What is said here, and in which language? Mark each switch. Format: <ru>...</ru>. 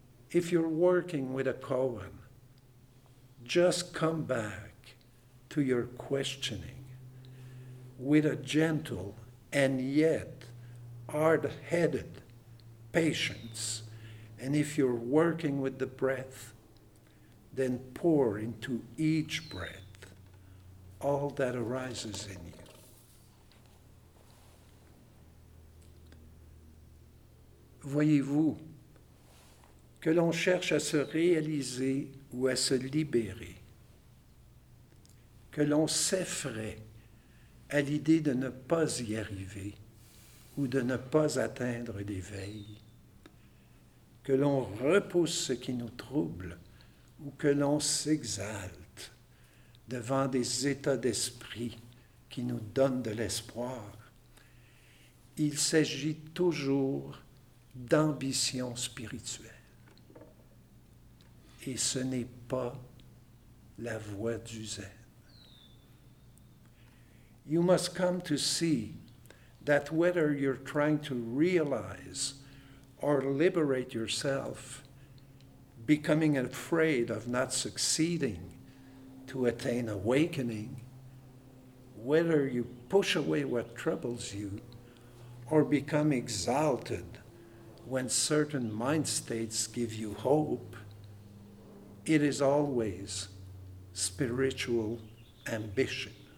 <en>If you're working with a koan, just come back to your questioning with a gentle and yet hard-headed patience And if you're working with the breath, then pour into each breath all that arises in you.</en> <fr>Voyez-vous que l'on cherche à se réaliser ou à se libérer, que l'on s'effraie à l'idée de ne pas y arriver ou de ne pas atteindre l'éveil, que l'on repousse ce qui nous trouble ou que l'on s'exalte devant des états d'esprit qui nous donnent de l'espoir. Il s'agit toujours d'ambition spirituelle. Et ce n'est pas la voie du Zen.</fr> <en>You must come to see that whether you're trying to realize or liberate yourself, becoming afraid of not succeeding to attain awakening, whether you push away what troubles you or become exalted when certain mind states give you hope, it is always spiritual ambition.</en>